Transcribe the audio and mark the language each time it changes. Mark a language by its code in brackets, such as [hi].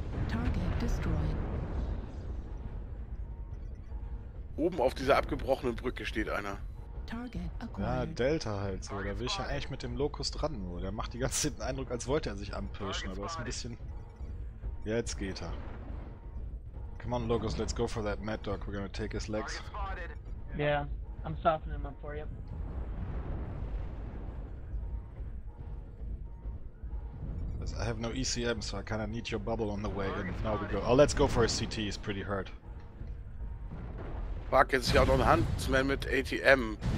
[en] Target destroyed. [de] Oben auf dieser abgebrochenen Brücke steht einer. Target acquired. Ja, Delta halt so. Da will ich ja eigentlich mit dem Locust ran. Nur. Der macht die ganze Zeit den Eindruck, als wollte er sich anpirschen, aber ist ein bisschen... Ja, jetzt geht er. [en] Come on, Locust, let's go for that mad dog. We're gonna take his legs. Yeah, I'm softening him up for you. I have no ECM, so I kinda need your bubble on the way, and now we go. Oh, let's go for a CT, he's pretty hurt. [de] Fuck, jetzt ist ja auch noch ein Huntsman mit ATM.